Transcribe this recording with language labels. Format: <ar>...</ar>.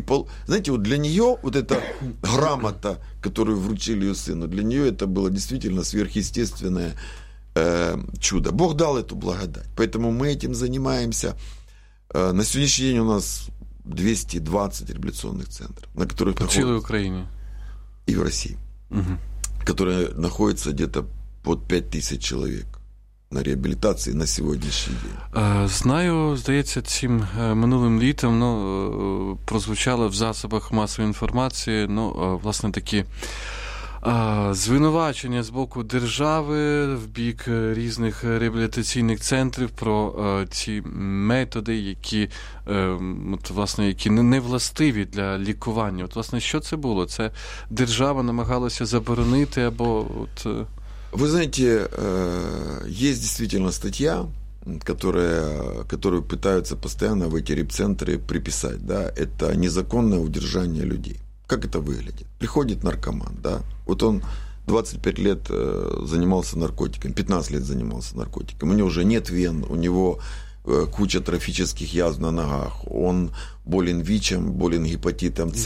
<ru>И знаете, вот для нее вот эта грамота, которую вручили ее сыну, для нее это было действительно сверхъестественное чудо. Бог дал эту благодать. Поэтому мы этим занимаемся. На сегодняшний день у нас 220 реабилитационных центров, на которых по целой Украине. И в России. Угу. Которые находятся где-то под 5000 человек на</ru> <uk>реабілітації на сьогоднішній день. Знаю, здається, цим минулим літом ну, прозвучало в засобах масової інформації ну, власне такі звинувачення з боку держави в бік різних реабілітаційних центрів про ці методи, які от, власне, які не властиві для лікування. От, власне, що це було? Це держава намагалася заборонити або от... Ви знаєте, є дійсно стаття,</uk> <ru>которую пытаются постоянно в эти реп-центры приписать, да, это незаконное удержание людей. Как это выглядит? Приходит наркоман, да, вот он 25 лет занимался наркотиками, 15 лет занимался наркотиками, у него уже нет вен, у него куча трофических язв на ногах, он болен ВИЧем, болен гепатитом С.</ru>